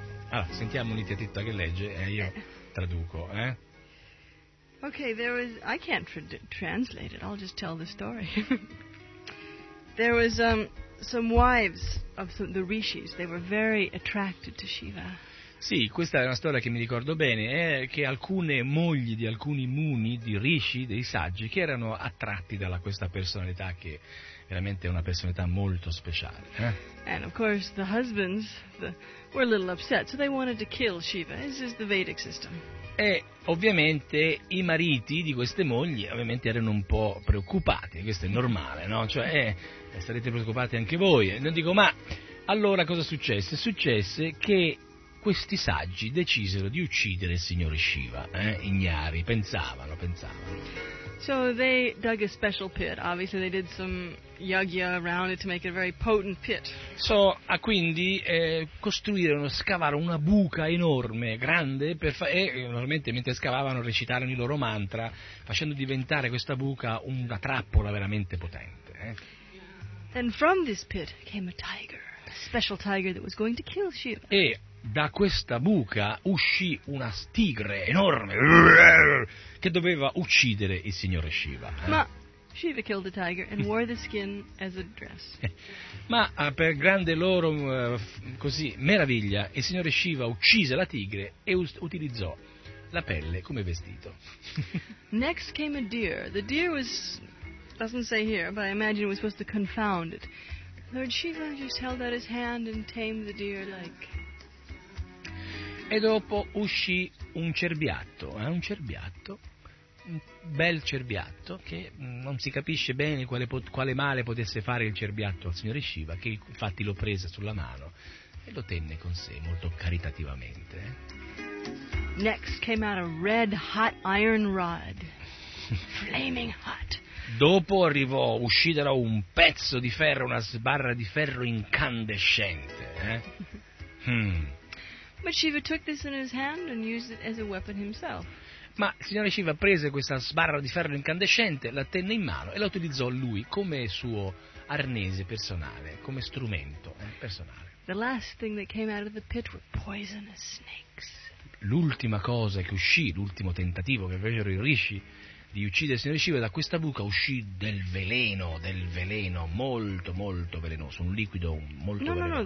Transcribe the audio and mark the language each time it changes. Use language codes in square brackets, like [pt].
[it] Allora, sentiamo Nitya Titta che legge e io traduco, [en] Okay, there was I can't translate it. I'll just tell the story. There was some wives of the rishis. They were very attracted to Shiva. [it] Sì, questa è una storia che mi ricordo bene, è che alcune mogli di alcuni muni, di rishi, dei saggi, che erano attratti da questa personalità, che veramente è una personalità molto speciale. [en] And of course the husbands were a little upset, so they wanted to kill Shiva. This is the Vedic system. [it] E ovviamente i mariti di queste mogli ovviamente erano un po' preoccupati, questo è normale, no? Cioè, sarete preoccupati anche voi. Non dico, ma allora cosa successe? Successe che questi saggi decisero di uccidere il signore Shiva, ignari, pensavano. [en] So they dug a special pit. Obviously they did some yagya around it to make it a very potent pit. [it] So a quindi costruire, uno, scavare una buca enorme, grande, per e normalmente mentre scavavano recitarono il loro mantra, facendo diventare questa buca una trappola veramente potente. [en] And from this pit came a tiger, a special tiger that was going to kill Shiva. [it] E da questa buca uscì una tigre enorme che doveva uccidere il signore Shiva. [en] Ma Shiva killed the tiger and wore the skin as a dress. [it] Ma per grande loro così meraviglia, il signore Shiva uccise la tigre e utilizzò la pelle come vestito. [en] Next came a deer. The deer was, doesn't say here, but I imagine it was supposed to confound it. Lord Shiva just held out his hand and tamed the deer like. [it] E dopo uscì un cerbiatto, un cerbiatto, un bel cerbiatto, che non si capisce bene quale male potesse fare il cerbiatto al signore Shiva, che infatti lo prese sulla mano e lo tenne con sé molto caritativamente. [en] Next came out a red hot iron rod, flaming hot. [it] Dopo arrivò, uscì da un pezzo di ferro, una sbarra di ferro incandescente. [en] But Shiva took this in his hand and used it as a weapon himself. [it] Ma il signore Shiva prese questa sbarra di ferro incandescente, la tenne in mano e la utilizzò lui come suo arnese personale, come strumento personale. [en] The last thing that came out of the pit were poisonous snakes. [it] L'ultima cosa che uscì, l'ultimo tentativo che fecero i rishi di uccidere il signore Shiva, da questa buca uscì del veleno molto molto velenoso, un liquido molto velenoso.